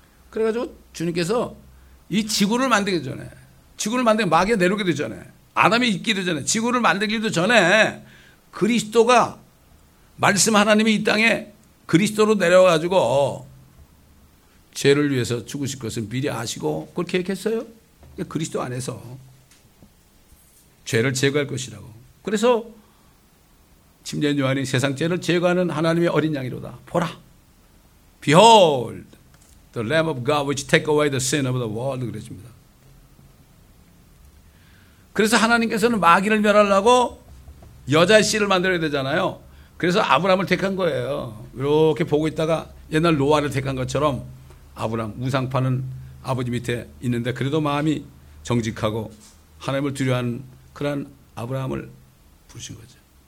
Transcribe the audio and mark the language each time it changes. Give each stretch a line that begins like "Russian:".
Korean: 그래가지고 주님께서 이 지구를 만들기 전에 지구를 만들기 마귀가 내려오기도 전에 아담이 있기도 전에 지구를 만들기도 전에 그리스도가 말씀 하나님이 이 땅에 그리스도로 내려와가지고 죄를 위해서 죽으실 것을 미리 아시고 그걸 계획했어요. 그리스도 안에서 죄를 제거할 것이라고. 그래서 침례 요한이 세상 죄를 제거하는 하나님의 어린 양이로다. 보라.
English: Behold the Lamb of God which take away the sin of the world.
Korean: 그랬습니다. 그래서 하나님께서는 마귀를 멸하려고 여자의 씨를 만들어야 되잖아요. 그래서 아브라함을 택한 거예요. 이렇게 보고 있다가 옛날 노아를 택한 것처럼 아브라함 우상파는 아버지 밑에 있는데 그래도 마음이 정직하고 하나님을 두려워하는 그런 아브라함을 부르신 거죠.